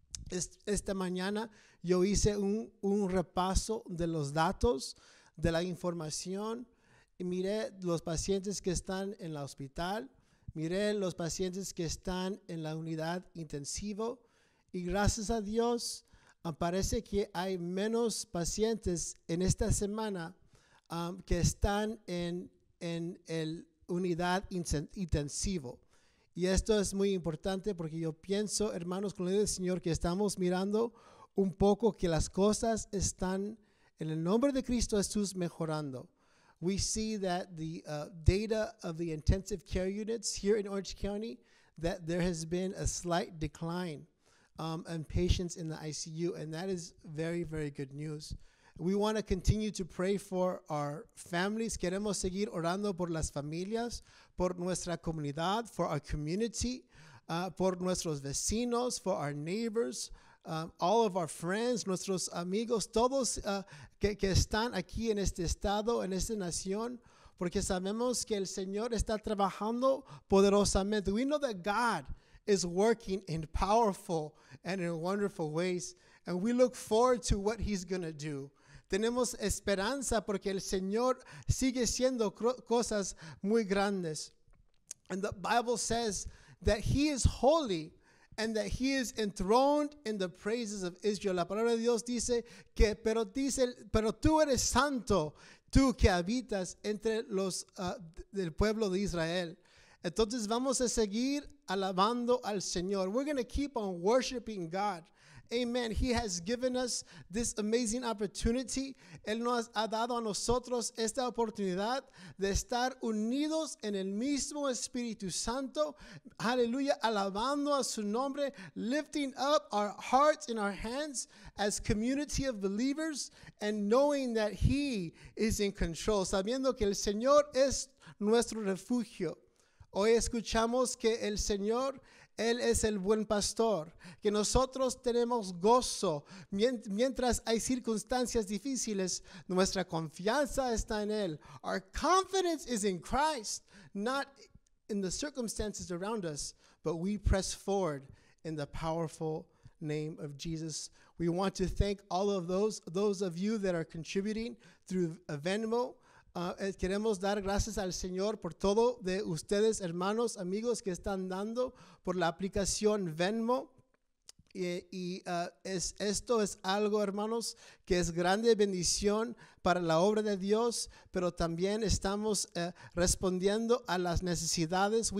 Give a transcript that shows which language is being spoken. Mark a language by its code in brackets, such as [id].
[es] Esta mañana yo hice un repaso de los datos, de la información, y miré los pacientes que están en el hospital, miré los pacientes que están en la unidad intensiva, y gracias a Dios, parece que hay menos pacientes en esta semana que están en el unidad intensivo. Y esto es muy importante porque yo pienso, hermanos, con la ayuda del Señor, que estamos mirando un poco que las cosas están, en el nombre de Cristo Jesús, mejorando. [en] We see that the data of the intensive care units here in Orange County, that there has been a slight decline in patients in the ICU, and that is very, very good news. We want to continue to pray for our families. [es] Queremos seguir orando por las familias, por nuestra comunidad, [en] for our community, [es] por nuestros vecinos, [en] for our neighbors, all of our friends, [es] nuestros amigos, todos que están aquí en este estado, en esta nación, porque sabemos que el Señor está trabajando poderosamente. [en] We know that God is working in powerful and in wonderful ways, and we look forward to what he's going to do. [es] Tenemos esperanza porque el Señor sigue siendo cosas muy grandes. [en] And the Bible says that he is holy and that he is enthroned in the praises of Israel. [es] La palabra de Dios dice que, pero tú eres santo, tú que habitas entre los del pueblo de Israel. Entonces vamos a seguir alabando al Señor. [en] We're going to keep on worshiping God. Amen. He has given us this amazing opportunity. [es] Él nos ha dado a nosotros esta oportunidad de estar unidos en el mismo Espíritu Santo. Aleluya. Alabando a su nombre. [en] Lifting up our hearts and our hands as community of believers. And knowing that he is in control. [es] Sabiendo que el Señor es nuestro refugio. Hoy escuchamos que el Señor, él es el buen pastor, que nosotros tenemos gozo mientras hay circunstancias difíciles. Nuestra confianza está en él. [en] Our confidence is in Christ, not in the circumstances around us, but we press forward in the powerful name of Jesus. We want to thank all of those of you that are contributing through Venmo. [es] Queremos dar gracias al Señor por todo de ustedes, hermanos, amigos, que están dando por la aplicación Venmo. Esto es algo, hermanos, que es grande bendición para la obra de Dios, pero también estamos respondiendo a las necesidades.